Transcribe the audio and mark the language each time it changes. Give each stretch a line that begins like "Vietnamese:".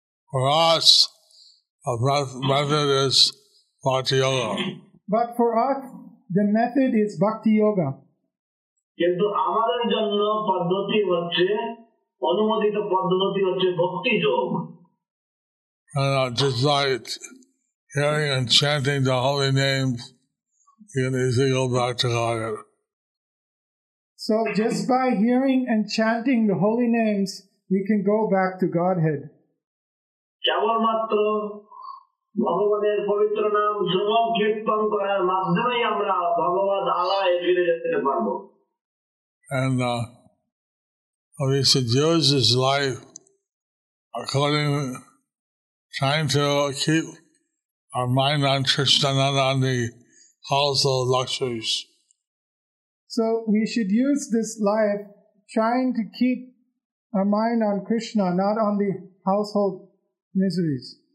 English: For us, the method is Bhakti Yoga. But for us, the method is Bhakti Yoga.
Bangla: কিন্তু আমাদের জন্য পদ্ধতি হচ্ছে অনুমোদিত পদ্ধতি হচ্ছে ভক্তি যোগ.
English: And just like hearing and chanting the holy name, you can easily go back to Godhead. So just by hearing and chanting the holy names, we can go back to Godhead.
Bangla: কেবলমাত্র ভগবানের পবিত্র নাম শ্রবণ কীর্তন করার মাধ্যমেই আমরা ভগবান আলায় ফিরে যেতে পারব.
English: And we should use this life according to trying to keep our mind on Krishna, not on the household luxuries. So we should use this life trying to keep our mind on Krishna, not on the household miseries.